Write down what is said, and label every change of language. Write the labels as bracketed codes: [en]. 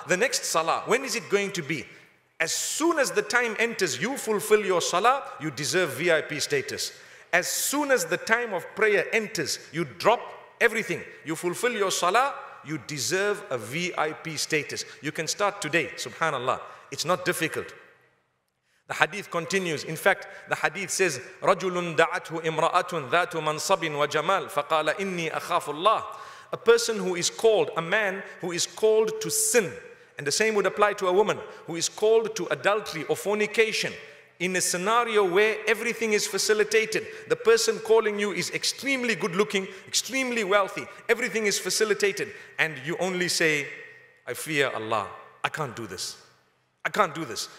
[en] The next salah, when is it going to be? As soon as the time enters, you fulfill your salah, you deserve VIP status. As soon as the time of prayer enters, you drop everything, you fulfill your salah, you deserve a VIP status. You can start today, subhanallah. It's not difficult. The hadith continues. In fact, the hadith says, [ar] رَجُلٌ دَعَتْهُ إِمْرَأَةٌ ذَاتُ مَنْصَبٍ وَجَمَالٍ فَقَالَ إِنِّي أَخَافُ اللَّهِ. [en] A person who is called, a man who is called to sin, and the same would apply to a woman, who is called to adultery or fornication, in a scenario where everything is facilitated. The person calling you is extremely good looking, extremely wealthy, everything is facilitated, and you only say, I fear Allah, I can't do this. I can't do this.